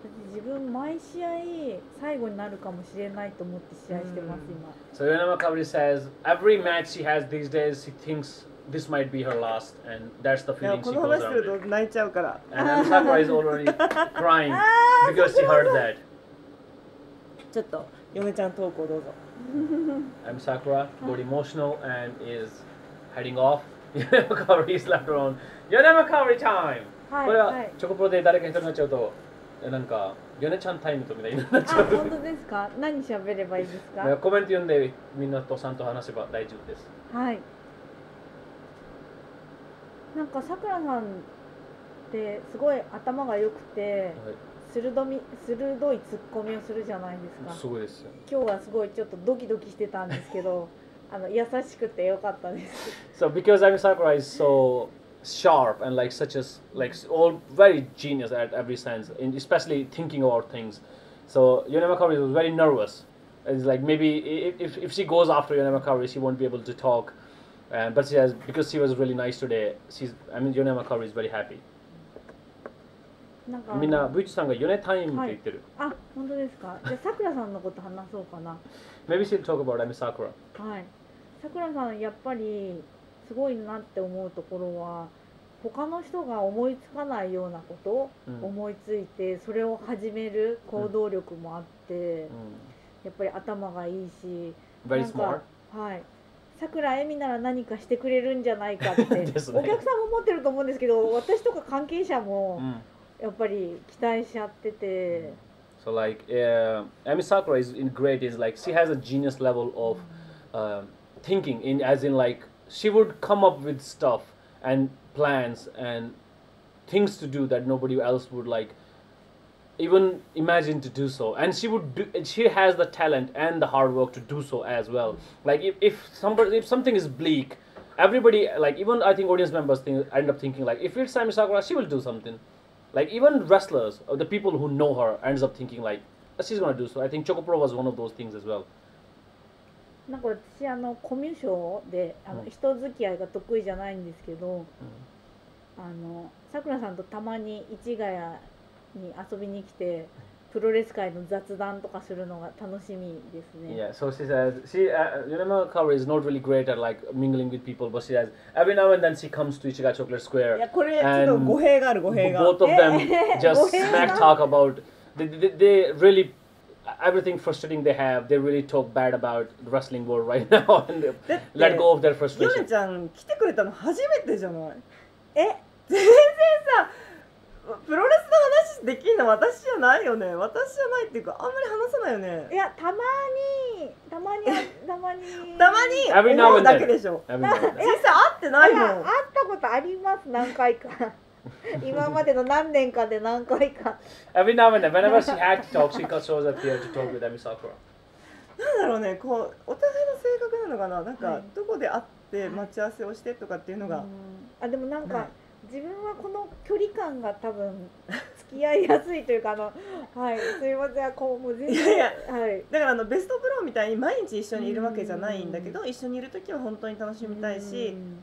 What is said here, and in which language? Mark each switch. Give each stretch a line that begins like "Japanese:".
Japanese: 自分毎試合最後になるかもしれないと思って試合してます今。
English: So Yonemakaburi says, every match she has these days, she thinks this might be her last, and that's the feeling she goes around with.
Japanese: 泣いちゃうから。
English: And Ami Sakura is already crying because she heard that. ちょっと、ヨネちゃんトークをどうぞ。 Ami Sakura got emotional and is heading off. Yonemakaburi is left alone. Yonemakaburi time!
Japanese: はい、これは、はい、チョコプロで誰か一人になっちゃうと、なんか、ヨネちゃんタイムとみたいになっちゃう。あ、本当ですか。何喋ればいいですか。コメント読んでみんなとさんと話せば大丈夫です。はい。なんかさくらさんってすごい頭が良くて、はい、鋭いツッコミをするじゃないですか。すごいですよ。今日はすごいちょっとドキドキしてたんですけど、あの優しくて良かったです。
English: So because I'm Sakura is so sharp and like such as like all very genius at every sense, in especially thinking about things. So Yonemakaburi was very nervous. It's like maybe if she goes after Yonemakaburi, she won't be able to talk. But she has because she was really nice today. She's I mean Yonemakaburi is very happy.
Japanese: みんな ブイチ さんがヨネタイムって言ってる。あ、本当ですか。じゃあさくらさんのこと話そうかな。
English: Maybe she'll talk about Ami Sakura.
Japanese: はい。さくらさんやっぱり。すごいなって思うところは他の人が思いつかないようなことを思いついて、うん、それを始める行動力もあって、うん、やっぱり頭がいいし
English: Very smart.
Japanese: はい、さくらえみなら何かしてくれるんじゃないかって、ね、お客さんも思ってると思うんですけど私とか関係者もやっぱり期待しちゃってて、
English: うん、So like Ami Sakura is in great is like she has a genius level of thinking in as in likeShe would come up with stuff and plans and things to do that nobody else would like even imagine to do so. And she would do, she has the talent and the hard work to do so as well. Like if somebody, if something is bleak, everybody, like even I think audience members think, end up thinking like, if it's Ami Sakura, she will do something. Like even wrestlers or the people who know her ends up thinking like, she's going to do so. I think Choco Pro was one of those things as well.
Japanese: なんか私あのコミュ障で人付き合いが得意じゃないんですけど、うん、あのさくらさんとたまに市ヶ谷に遊びに来てプロレス界の雑談とかするのが楽しみですね。
English: Yeah, so she says, Yonemakaburi is not really great at like mingling with people, but she says, every now and then she comes to Ichigaya Chocolate Square.
Japanese: いやこれちょっと語弊がある、語弊が。
English: Both of them just smack talk about, they reallyeverything frustrating they have, they really talk bad about the wrestling world right now and let go of their frustration.
Japanese: ヨネちゃん来てくれたの初めてじゃない。え、全然さ、プロレスの話できるの私じゃないよね。私じゃないっていうか、あんまり話さないよね。いや、たまに、たまに、たまにたまに思うだけでしょ。実際会ってないもん。会ったことあります、何回か。今までの何年かで何回か。
English: Every now and then, whenever she had to talk, she got shows up here to talk with Emi Sakura.
Japanese: なんだろうね、こうお互いの性格なのかな、なんか、はい、どこで会って待ち合わせをしてとかっていうのが。うん、あでもなんか、ね、自分はこの距離感が多分付き合いやすいというか、あの、はい、すいません、こうもう全然、いやいや、はい。だからあのベストプロみたいに毎日一緒にいるわけじゃないんだけど、一緒にいるときは本当に楽しみたいし。